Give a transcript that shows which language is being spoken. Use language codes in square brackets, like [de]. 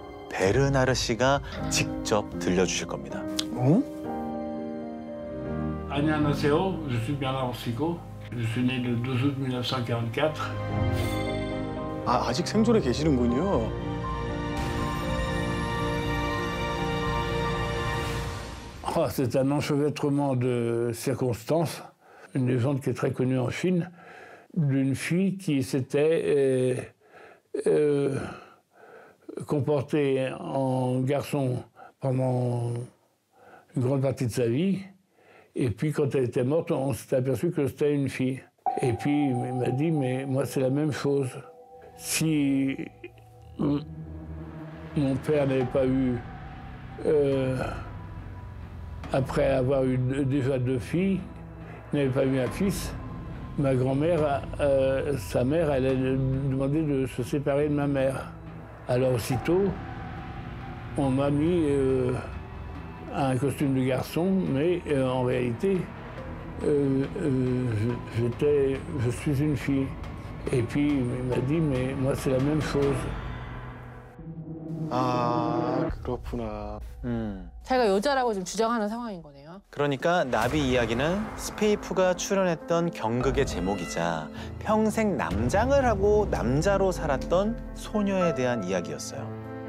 [ko] 베르나르 씨가 직접 들려주실 겁니다. 어? 안녕하세요. [fr] Je suis Bernard Sico. Je suis né le 12 août 1944. [ko] 아, 아직 생존해 계시는군요. [fr] 아, c'est un enchevêtrement de circonstances. Une légende qui est très connue en Chine d'une fille qui s'était comportée en garçon pendant une grande partie de sa vie. Et puis quand elle était morte, on s'est aperçu que c'était une fille. Et puis il m'a dit, mais moi c'est la même chose. Si mon père n'avait pas eu, après avoir eu déjà deux filles, n'avait pas eu un fils, ma grand-mère, sa mère, elle a demandé de se séparer de ma mère. Alors aussitôt, on m'a mis un costume de garçon, mais en réalité, je suis une fille. Et puis il m'a dit, mais moi c'est la même chose. [ko] Ah, 그렇구나. 자기가 여자라고 지금 주장하는 상황인 거네요. 그러니까 나비 이야기는 스페이프가 출연했던 경극의 제목이자 평생 남장을 하고 남자로 살았던 소녀에 대한 이야기였어요.